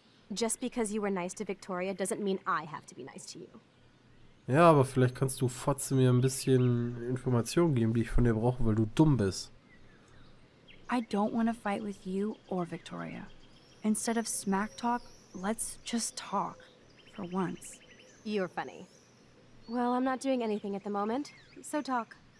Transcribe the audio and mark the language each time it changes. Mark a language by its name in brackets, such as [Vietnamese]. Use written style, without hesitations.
[English] Just because you were nice to Victoria doesn't mean I have to be nice to you. [German] Ja, aber vielleicht kannst du Fotze mir ein bisschen Informationen geben, die ich von dir brauche, weil du dumm bist. [English] I don't want to fight with you or Victoria. Instead of smack talk, let's just talk. For once. You're funny. Well, I'm not doing anything at the moment, so talk.